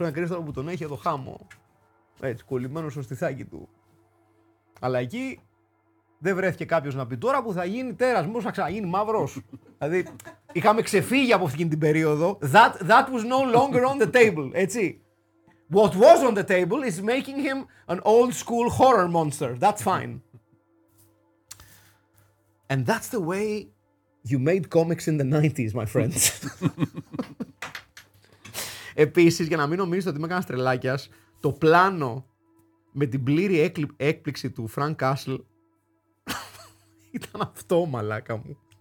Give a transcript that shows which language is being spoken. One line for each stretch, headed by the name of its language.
Greek: Ένα κρύσταλλο που τον έχει εδώ χάμο. Έτσι, κολλημένο στο στιθάκι του. Αλλά εκεί δεν βρέθηκε κάποιος να πει τώρα που θα γίνει τέρας, μόνος θα ξαναγίνει μαύρος. Δηλαδή, είχαμε ξεφύγει από αυτήν την περίοδο.
English: That was no longer on the table,
Greek: έτσι.
English: What was on the table is making him an old school horror monster. That's fine. And that's the way you made comics in the 90s, my friends.
Greek: Επίσης, για να μην νομίζετε ότι είμαι κανένας τρελάκιας, το πλάνο με την πλήρη έκπληξη του Frank Castle ήταν αυτό, μαλάκα μου.